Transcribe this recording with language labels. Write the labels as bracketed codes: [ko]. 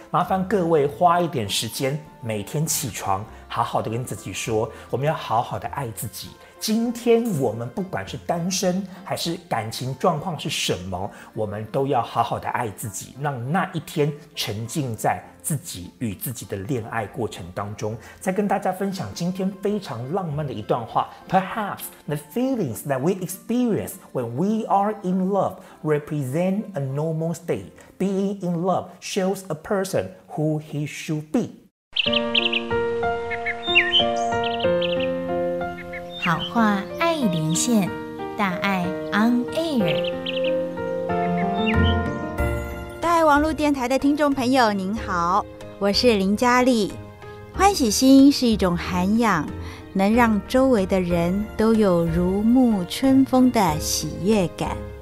[zh] 麻烦各位花一点时间，每天起床好好的跟自己说，我们要好好的爱自己。今天我们不管是单身还是感情状况是什么，我们都要好好的爱自己，让那一天沉浸在自己与自己的恋爱过程当中。再跟大家分享今天非常浪漫的一段话， [en] Perhaps the feelings that we experience when we are in love represent a normal state. Being in love shows a person who he should be. [zh] 好话爱连线，大爱 on air。网络电台的听众朋友您好，我是林佳丽。欢喜心是一种涵养，能让周围的人都有如沐春风的喜悦感。